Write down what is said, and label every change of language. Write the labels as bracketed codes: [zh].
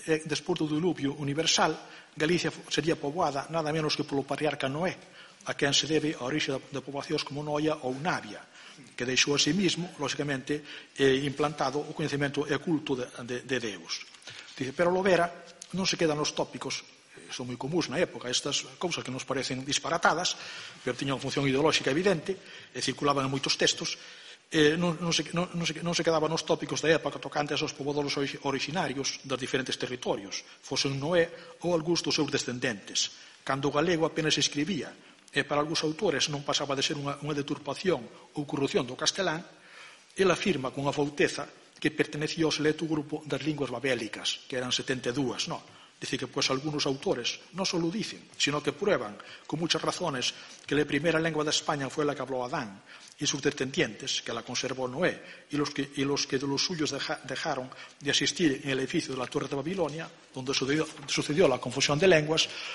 [es] Después del diluvio universal, Galicia sería poblada nada menos que por el patriarca Noé, a quien se debe a origen de poblaciones como Noia o Navia, que dejó a sí mismo, lógicamente, implantado o conocimiento e culto de Deus. Dice, pero lo verá. [gl] Non se quedan os tópicos, son moi comuns na época, estas cousas que nos parecen disparatadas, pero tiñan función ideolóxica evidente, e circulaban en moitos textos, non se quedaban nos tópicos da época tocante aos pobladores originarios dos diferentes territorios, fosen Noé ou algúns dos seus descendentes, cando o galego apenas escribía, e para algúns autores non pasaba de ser unha deturpación ou corrupción do castelán, ele afirma con a fauteza que pertenecía ao selecto grupo das linguas babélicas, que eran 72, no. [es] Dice que, pues, algunos autores [gl] non só [es] lo dicen, sino que prueban, con muchas razones, que la primera lengua de España fue la que habló Adán y sus descendientes, que la conservó Noé, y los que de los suyos dejaron de asistir en el edificio de la Torre de Babilonia, donde sucedió la confusión de lenguas.